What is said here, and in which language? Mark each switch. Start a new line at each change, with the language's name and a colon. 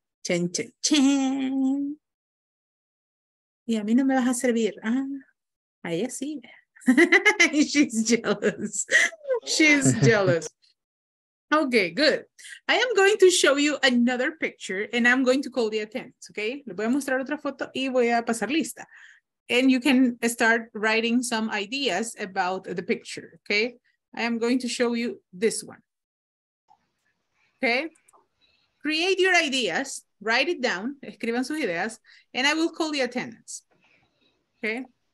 Spanish: Chen, chen, chen. Y a mí no me vas a servir. Ah, ahí sí.
English: She's jealous. She's jealous. Okay, good. I am going to show you another picture and I'm going to call the attendance, okay?
Spanish: Le voy a mostrar otra foto y voy a pasar lista.
English: And you can start writing some ideas about the picture, okay? I am going to show you this one, okay? Create your ideas, write it down,
Spanish: escriban sus ideas,
English: and I will call the attendance, okay?